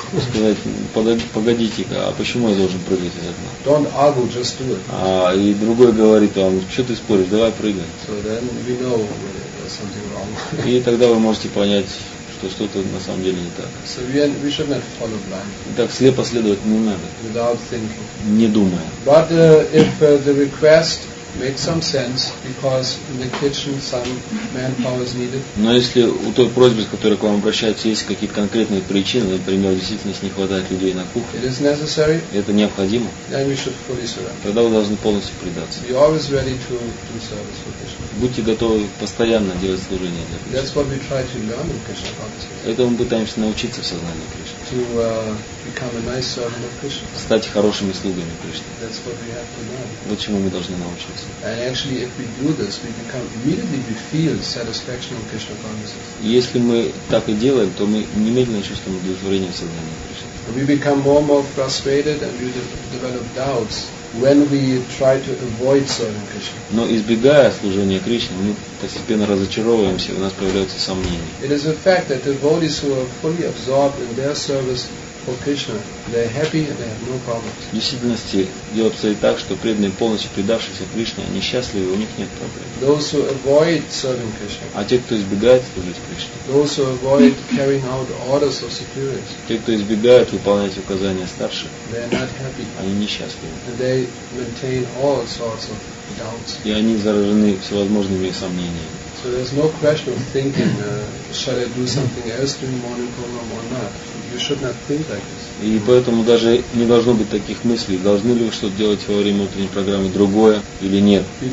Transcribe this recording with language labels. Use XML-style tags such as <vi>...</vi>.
<ru>Сказать, погодите-ка, а почему я должен прыгать из окна?</ru> <en>Don't argue, just do it.</en> <ru>А и другой говорит вам, что ты споришь, давай прыгай.</ru> <en>So then we know something wrong.</en> <ru>И тогда вы можете понять, что что-то на самом деле не так.</ru> <en>So we should not follow blind.</en> <ru>Так слепо следовать не надо.</ru> <en>Without thinking.</en> <ru>Не думая.</ru> <en>But if the request make some sense, because in the kitchen some manpower is needed.</en> <ru>Но если у той просьбы, с которой к вам обращаются, есть какие-то конкретные причины, например, действительно не хватает людей на кухне,</ru> <en>it is necessary,</en> <ru>это необходимо,</ru> <en>then we should fully surrender.</en> <ru>Тогда вы должны полностью предаться.</ru> <en>We are always ready to do service for Krishna.</en> <ru>Будьте готовы постоянно делать служение для Кришны.</ru> <en>That's what we try to learn in Krishna consciousness.</en> <ru>Это мы пытаемся научиться в сознании Кришны.</ru> <en>To become a nice servant of Krishna.</en> <ru>Стать хорошими слугами Кришны.</ru> <en>That's what we have to learn.</en> <ru>Вот чему мы должны научиться.</ru> <en>And actually, if we do this, we become immediately we feel satisfaction of Krishna consciousness.</en> <ru>Если мы так и делаем, то мы немедленно чувствуем удовлетворение сознания Кришны.</ru> <en>We become more and more frustrated, and we develop doubts when we try to avoid serving Krishna.</en> <ru>Но избегая служения Кришне, мы постепенно разочаровываемся, у нас появляются сомнения.</ru> <en>It is a fact that devotees who are fully absorbed in their service for Krishna, they're happy and they have no problems.</en> <ru>В действительности дело обстоит так, что преданные, полностью предавшиеся Кришне, они счастливы, у них нет проблем.</ru> <en>Those who avoid serving Krishna.</en> <ru>А те, кто избегает служить Кришне.</ru> <en>Those who avoid carrying out orders of superiors.</en> <ru>Те, кто избегает выполнять указания старших.</ru> <en>They're not happy.</en> <ru>Они несчастливы.</ru> <en>And they maintain all sorts of doubts.</en> <ru>И они заражены всевозможными сомнениями.</ru> <en>So there's no question of thinking, should I do something else during morning program or not? You should not think like this.</en> <ru>И поэтому даже не должно быть таких мыслей, должны ли вы что-то делать во время утренней программы другое или нет.</ru>